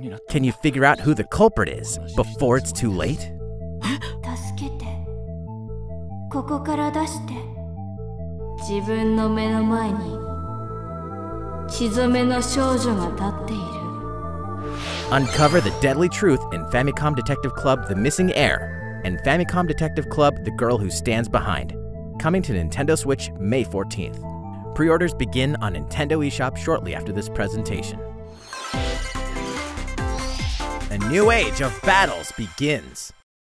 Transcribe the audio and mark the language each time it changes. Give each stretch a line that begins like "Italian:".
English: Can you figure out who the culprit is before it's too late?
Japanese: 助けて。ここから出して自分の目の前に血染めの少女が立っている
English: Uncover the deadly truth in Famicom Detective Club The Missing Heir and Famicom Detective Club The Girl Who Stands Behind Coming to Nintendo Switch May 14th Pre-orders begin on Nintendo eShop shortly after this presentation A new age of battles begins